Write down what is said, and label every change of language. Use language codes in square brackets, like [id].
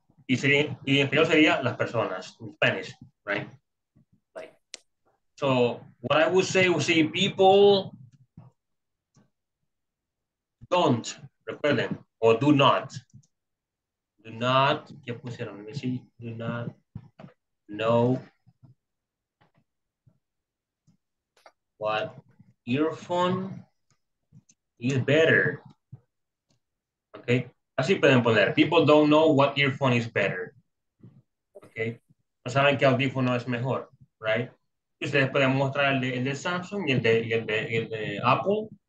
[es] Y, sería, y en español sería las personas, [en] in Spanish, right? Like, so, what I would say, people don't, [es] recuerden, [en] or do not. Do not, [es] ¿qué pusieron? [en] Let me see, do not know what earphone is better. Okay. [es] Así pueden poner, [en] people don't know what earphone is better. [es] Okay. No saben qué audífono es mejor, right? Ustedes pueden mostrar el de Samsung y el de Apple.